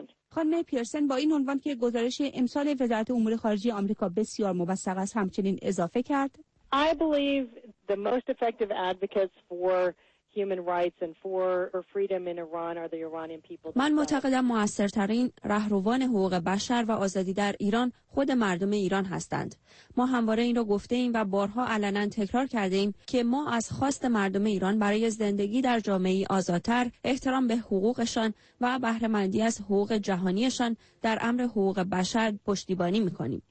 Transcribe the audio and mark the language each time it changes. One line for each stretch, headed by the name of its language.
Persian: خانم پیرسون با این عنوان که گزارش امسال وزارت امور خارجه آمریکا بسیار موثق است همچنین اضافه کرد:
English: I believe the most effective advocates for human rights and for freedom in Iran are the Iranian people.
Persian: من معتقدم مؤثرترین رهروان حقوق بشر و آزادی در ایران خود مردم ایران هستند. ما همواره این را گفته ایم و بارها علنا تکرار کرده ایم که ما از خواست مردم ایران برای زندگی در جامعه‌ای آزادتر، احترام به حقوقشان و بهره مندی از حقوق جهانیشان در امر حقوق بشر پشتیبانی می‌کنیم.